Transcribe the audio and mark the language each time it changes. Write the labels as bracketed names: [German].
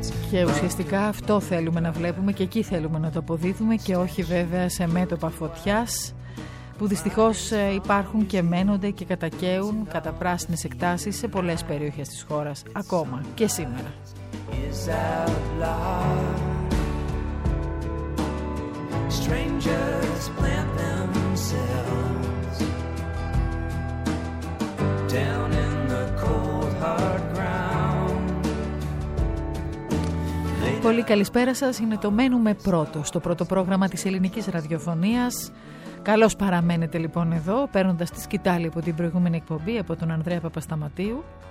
[Greek] Και ουσιαστικά αυτό θέλουμε να βλέπουμε και εκεί θέλουμε να το αποδίδουμε και όχι βέβαια σε μέτωπα φωτιάς που δυστυχώς υπάρχουν και μένονται και κατακαίουν κατά πράσινες εκτάσεις σε πολλές περιοχές της χώρας ακόμα και σήμερα. [English] Strangers plant themselves down in the cold hard ground. [Greek] Πολύ καλησπέρα σας, είναι το Μένουμε Πρώτο στο πρώτο πρόγραμμα της ελληνικής ραδιοφωνίας. Καλώς παραμένετε λοιπόν εδώ, παίρνοντας τη σκυτάλη από την προηγούμενη εκπομπή από τον Ανδρέα Παπασταματίου.